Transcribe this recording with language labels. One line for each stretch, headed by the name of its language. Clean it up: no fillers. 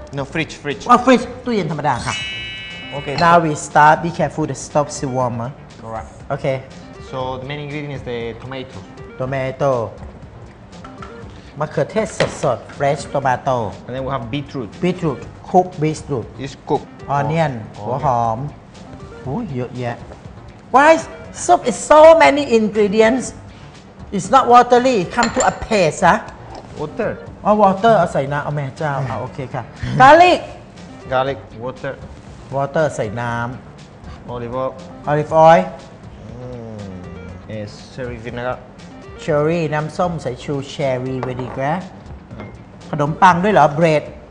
English: No fridge. Fridge.
Thai: Oh, fridge. ตู้เย็นธรรมดาค่ะ
English: Okay. Now we start. Be careful. The stove is warmer. Correct. Okay. So the main ingredient is the tomato. Tomato.
Thai: มะเขือเทศสดๆ
English: fresh tomato. And then we have beetroot. Beetroot. Cook beetroot. It's cook. Onion. หัวหอม Oh,
Thai: เยอะแยะ
English: Why soup is so many ingredients? It's not watery. Come to a paste, ah. Water. Oh, water.
Thai: เอาใส่น้ำเอาแม่เจ้าเอาโอเคค่ะ Garlic.
English: Garlic. Water. Water.
Thai: ใส่น้ำ
English: Olive oil. Olive oil. Cherry vinegar. Cherry.
Thai: น้ำส้มใส่ชูเชอร์รี่ vinegar. ขนมปังด้วยเหรอ Bread.